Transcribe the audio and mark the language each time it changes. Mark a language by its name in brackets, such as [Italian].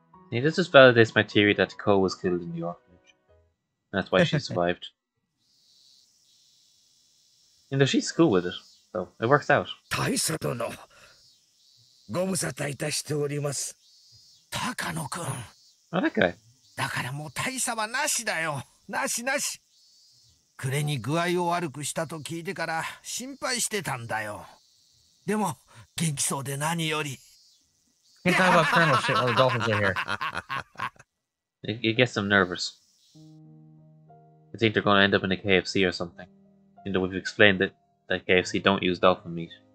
[English] Yeah, this just validates my theory that Ko was killed in the orphanage. That's why she survived. And she's cool with it, so it works out. [Japanese] Taisato no ご無沙汰いたしております。高野くん。あ、だかい。だからもう大差はなしだよ。なしなし。暮れに具合を悪くしたと聞いてから心配してたんだよ。でも元気そうで何より。 [English] Can you talk about Colonel shit while the dolphins are here? It gets them nervous. They think they're going to end up in a KFC or something. You know, we've explained that KFC don't use dolphin meat.